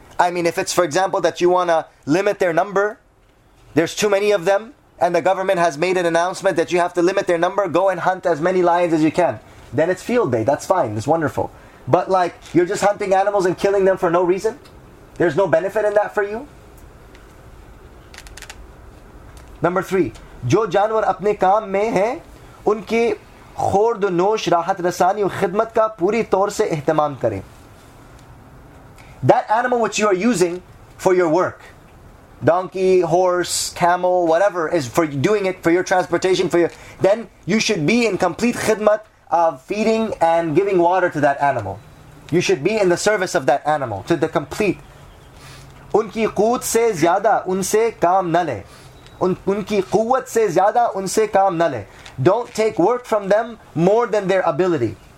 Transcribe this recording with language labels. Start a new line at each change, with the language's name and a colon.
English: I mean, if it's, for example, that you want to limit their number, there's too many of them, and the government has made an announcement that you have to limit their number, go and hunt as many lions as you can. Then it's field day, that's fine, it's wonderful. But like, you're just hunting animals and killing them for no reason? There's no benefit in that for you?
Urdu: Number three, جو جانور اپنے کام میں ہیں ان کے خورد و نوش راحت رسانی و خدمت کا پوری طور سے اہتمام کریں.
English: That animal which you are using for your work, donkey, horse, camel, whatever, is for doing it for your transportation, for your, then you should be in complete khidmat of feeding and giving water to that animal. You should be in the service of that animal to the complete.
Urdu: ان کی قوت سے زیادہ ان سے کام نہ لے. ان کی قوت سے زیادہ ان سے کام نہ لے.
English: Don't take work from them more than their ability.